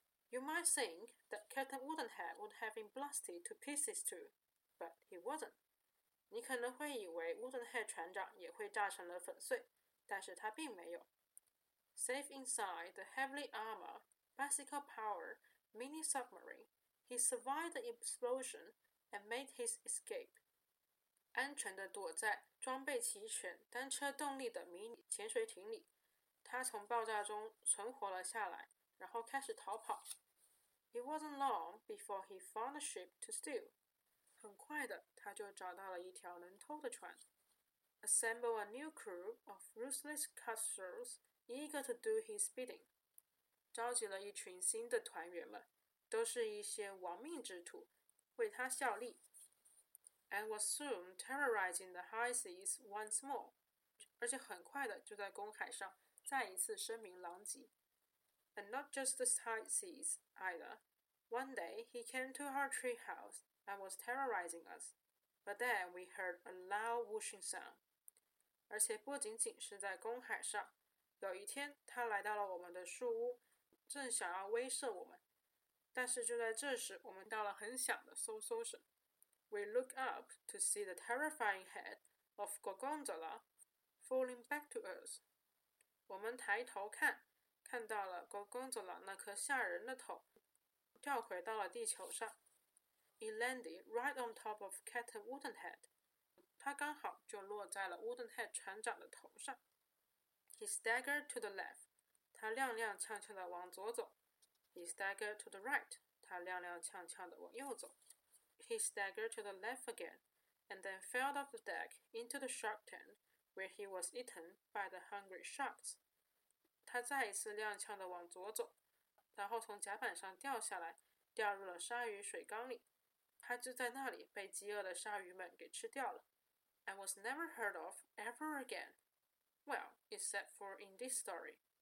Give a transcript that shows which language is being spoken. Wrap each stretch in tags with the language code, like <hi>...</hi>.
<en>You might think that Captain Woodenhead would have been blasted to pieces too, but he wasn't.</en> <zh>你可能会以为 Woodenhead 船长也会炸成了粉碎，但是他并没有。</zh> <en>Safe inside the heavily armored bicycle power mini submarine, he survived the explosion and made his escape.</en> <zh>安全地躲在装备齐全、单车动力的迷你潜水艇里，他从爆炸中存活了下来，然后开始逃跑。</zh> <en>It wasn't long before he found a ship to steal.</en> <zh>很快的，他就找到了一条能偷的船。</zh> <en>Assemble a new crew of ruthless cutthroats eager to do his bidding.</en> <zh>召集了一群新的团员们，都是一些亡命之徒，为他效力。</zh> <en>And was soon terrorizing the high seas once more.</en> <zh>而且很快的就在公海上再一次声名狼藉。</zh> <en>And not just the high seas, either. One day, he came to our treehouse and was terrorizing us. But then we heard a loud whooshing sound.</en> <zh>而且不仅仅是在公海上。有一天，他来到了我们的树屋，正想要威慑我们。但是就在这时，我们到了很响的嗖嗖声。</zh> <en>We look up to see the terrifying head of Gorgonzola falling back to us.</en> <zh>我们抬头看，看到了 Gorgonzola 那颗吓人的头掉回到了地球上。</zh> <en>It landed right on top of Captain Woodenhead.</en> <zh>他刚好就落在了 Woodenhead 船长的头上。</zh> <en>He staggered to the left.</en> <zh>他踉踉跄跄地往左走。</zh> <en>He staggered to the right.</en> <zh>他踉踉跄跄地往右走。</zh> <en>He staggered to the left again, and then fell off the deck into the shark tank, where he was eaten by the hungry sharks.</en> <zh>他再一次踉跄地往左走，然后从甲板上掉下来，掉入了鲨鱼水缸里。他就在那里被饥饿的鲨鱼们给吃掉了。</zh> <en>I was never heard of ever again. Well, except for in this story.</en>